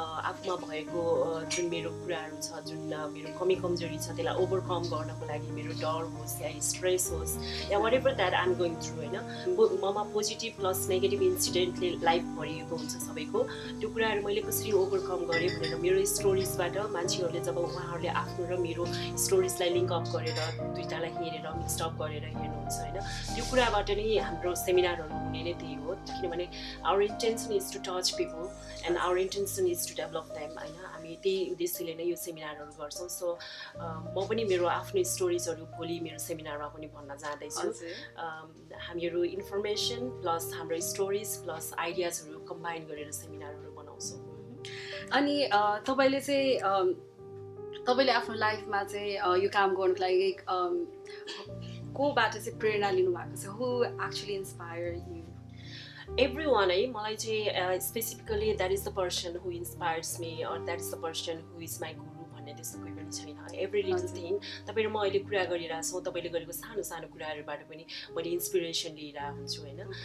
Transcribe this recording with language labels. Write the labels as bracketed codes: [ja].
[ne] आफूमा भएको जुन मेरो कुराहरू छ, जुन मेरो कमी कमजोरी छ, त्यसलाई ओभरकम गर्नको लागि मेरो डर होस् या स्ट्रेस होस् या [en] whatever that I'm going through, [ne] होइन, ममा पोजिटिभ प्लस नेगेटिभ इन्सिडेन्टले लाइफ भरिएको हुन्छ सबैको, त्यो कुराहरू मैले कसरी ओभरकम गरेँ भनेर मेरो स्टोरिजबाट मान्छेहरूले जब उहाँहरूले आफ्नो र मेरो स्टोरिजलाई लिङ्कअप गरेर दुइटालाई हेरेर मिक्सअप गरेर हेर्नुहुन्छ, होइन, त्यो कुराबाट नै हाम्रो सेमिनारहरू हुने नै त्यही हो। किनभने [en] our intention is to touch people and our intention is to develop them, I know [ne] हामी त्यही उद्देश्यले नै यो सेमिनारहरू गर्छौँ। सो म पनि मेरो आफ्नो स्टोरिजहरू भोलि मेरो सेमिनारमा पनि भन्न जाँदैछु। हामीहरू इन्फर्मेसन प्लस हाम्रो स्टोरिज प्लस आइडियाजहरू कम्बाइन गरेर सेमिनारहरू बनाउँछौँ। अनि तपाईँले चाहिँ तपाईँले आफ्नो लाइफमा चाहिँ यो काम गर्नुको लागि कोबाट चाहिँ प्रेरणा लिनुभएको छ? [en] Who actually inspire you? Everyone, eh? [ne] Malai jay, [en] specifically that is the person who inspires me or that is the person who is my guru. [ne] त्यस्तो कोही पनि छैन, [en] Every little thing. [ne] तपाईँहरू म अहिले कुरा गरिरहेको छौँ, तपाईँले गरेको सानो सानो कुराहरूबाट पनि मैले इन्सपिरेसन लिइरहेको हुन्छु, होइन?